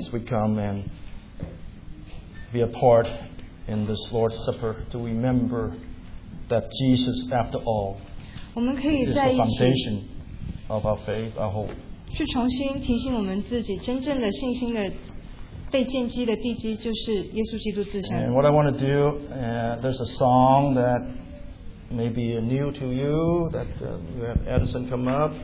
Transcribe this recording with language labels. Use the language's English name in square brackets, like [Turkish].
[English] As we come and be a part in this Lord's Supper to remember that Jesus, after all, is the foundation of our faith, our hope. [Chinese] 去重新提醒我们自己，真正的信心的被奠基的地基就是耶稣基督自身。 [English] And what I want to do, there's a song that may be new to you that you have Edison come up.